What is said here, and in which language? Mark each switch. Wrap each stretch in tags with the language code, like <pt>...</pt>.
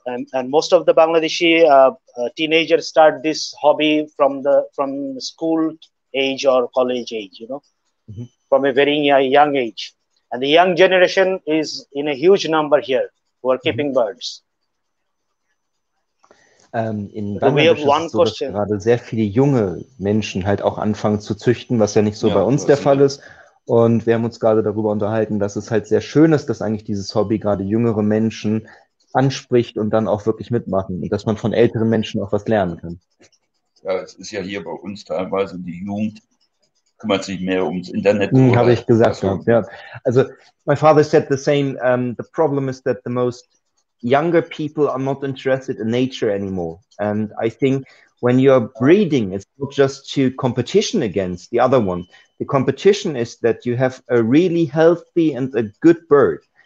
<en>And most of the Bangladeshi teenagers start this hobby from school age or college age, you know, from a very young age. And the young generation is in a huge number here who are keeping birds.</en> <de>In Bangladesch ist es so, dass gerade sehr viele junge Menschen halt auch anfangen zu züchten, was ja nicht so bei uns der Fall ist. Und wir haben uns gerade darüber unterhalten, dass es halt sehr schön ist, dass eigentlich dieses Hobby gerade jüngere Menschen anspricht und dann auch wirklich mitmachen und dass man von älteren Menschen auch was lernen kann. Ja, es ist ja hier bei uns teilweise die Jugend, kümmert sich mehr ums Internet. Habe ich gesagt, Also,</de> <en>my father said the same, the problem is that the most younger people are not interested in nature anymore. And I think when you're breeding, it's not just to competition against the other one. The competition is that you have a really healthy and a good bird.</en>